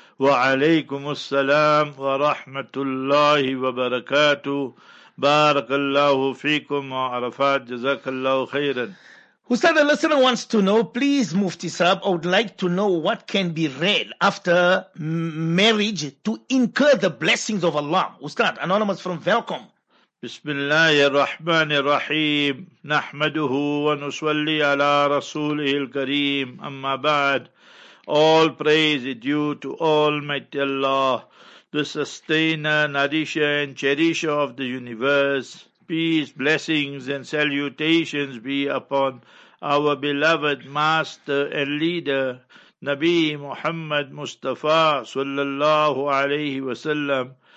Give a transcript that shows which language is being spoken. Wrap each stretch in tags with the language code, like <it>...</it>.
<ar>وعليكم السلام ورحمة الله وبركاته. بارك الله فيكم وعرفات جزاك الله خيرا.</ar> <en>Ustad, a listener wants to know, please Mufti Saab, I would like to know what can be read after marriage to incur the blessings of Allah. Ustad, anonymous from Welcome.</en> <ar>بسم الله الرحمن الرحيم نحمده ونصلي على رسوله الكريم أما بعد.</ar> <en>All praise is due to Almighty Allah, the sustainer, nourisher, and cherisher of the universe. Peace, blessings, and salutations be upon our beloved master and leader, Nabi Muhammad Mustafa sallallahu alayhi wasallam.</en>